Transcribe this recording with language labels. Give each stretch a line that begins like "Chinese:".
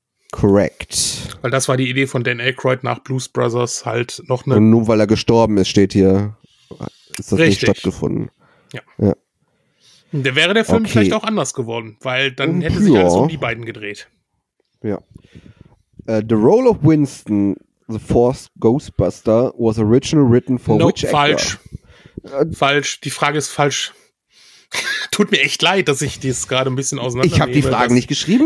English: Correct.
German: Weil das war die Idee von Dan Aykroyd nach Blues Brothers halt noch eine. Und nur weil er gestorben ist, steht hier, ist das richtig. Nicht stattgefunden. Ja. Ja. Da wäre der Film okay. Vielleicht auch anders geworden, weil dann hätte sich alles um die beiden gedreht. Ja.
English: The Role of Winston, the Fourth Ghostbuster, was original written for which actor?
German: Falsch. Falsch. Die Frage ist falsch. Tut mir echt leid, dass ich dies gerade ein bisschen auseinander. Ich habe die Fragen nicht geschrieben.